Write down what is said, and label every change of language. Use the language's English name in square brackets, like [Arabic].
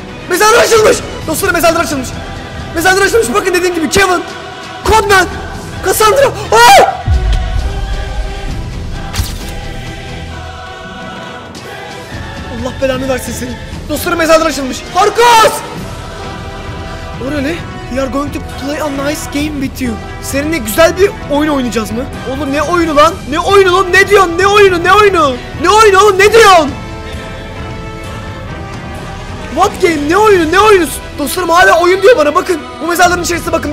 [Turkish] Mezarlar açılmış. Dostlarım mezarlar açılmış. Mezarlar açılmış. Bakın dediğim gibi Kevin, Codman, Cassandra... Aa! Allah belanı versin seni. Dostlarım mezarlar açılmış. Harkos! [English] Orale, we are going to play a nice game with you. [Turkish] Seninle güzel bir oyun oynayacağız mı? Oğlum ne oyunu lan? Ne oyunu lan? Ne diyorsun? Ne oyunu? Ne oyunu? Ne oyunu oğlum? Ne diyorsun? [English] What game? [Turkish] Ne oyunu? Ne oyunu? Dostlarım hala oyun diyor bana. Bakın. Bu mezarların içerisinde bakın.